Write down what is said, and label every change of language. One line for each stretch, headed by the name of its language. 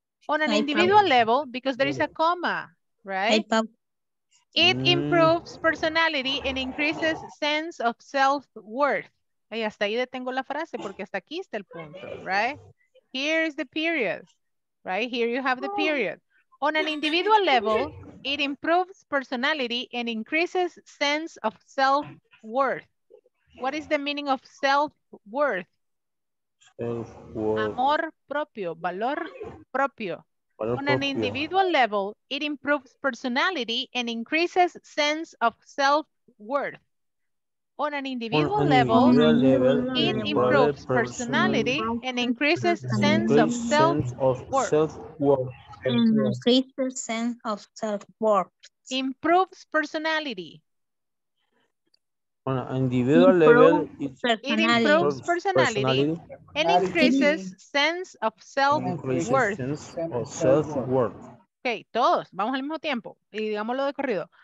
English: On an individual level, because there is a comma, right? It improves personality and increases sense of self-worth.
Spanish: Ay, hasta ahí detengo la frase porque hasta aquí está el punto, right?
English: Here is the period, right? Here you have the period. On an individual level, it improves personality and increases sense of self-worth. What is the meaning of self-worth?
Spanish: Amor propio, valor propio.
English: On an individual level, it improves personality and increases sense of self-worth. On an individual level, it improves personality and increases sense of self-worth. Improves personality. On an individual level, it improves personality and increases sense of self-worth.
Spanish: Okay, todos, vamos al mismo tiempo y digámoslo de corrido.